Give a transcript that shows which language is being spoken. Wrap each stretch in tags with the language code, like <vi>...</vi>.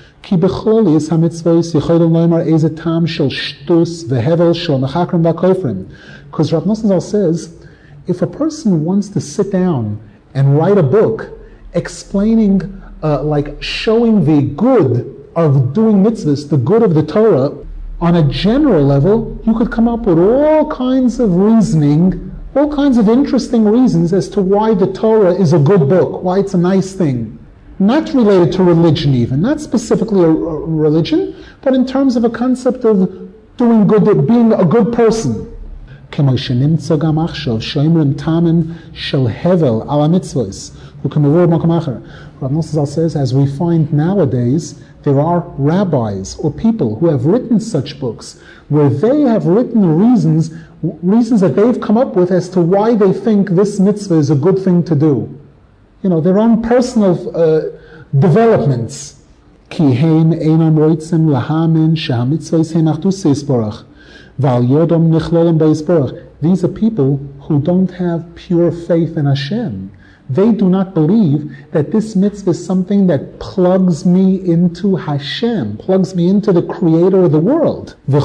<he>כי בכל יש המצוויס יכולים לומר איזה טעם של שטוס והבל של המחקרים והכופרים.</he> <en>Because Rav Nosenthal says, if a person wants to sit down and write a book explaining, like showing the good of doing mitzvahs, the good of the Torah, on a general level, you could come up with all kinds of reasoning, all kinds of interesting reasons as to why the Torah is a good book, why it's a nice thing. Not related to religion even, not specifically a religion, but in terms of a concept of doing good, of being a good person.</en> <he>כמו שנמצא גם עכשיו, שאומרים טעמים של הבל על המצוות, הוא כמובן במקום אחר.</he> <en>Rav Nosenthal says, as we find nowadays, there are rabbis or people who have written such books where they have written reasons that they've come up with as to why they think this mitzvah is a good thing to do. You know, their own personal developments.</en> <he>כי הם אינם רוצים להאמין שהמצוות הן אחדות יתברך.</he> <en>These are people who don't have pure faith in Hashem. They do not believe that this mitzvah is something that plugs me into Hashem, plugs me into the creator of the world.</en>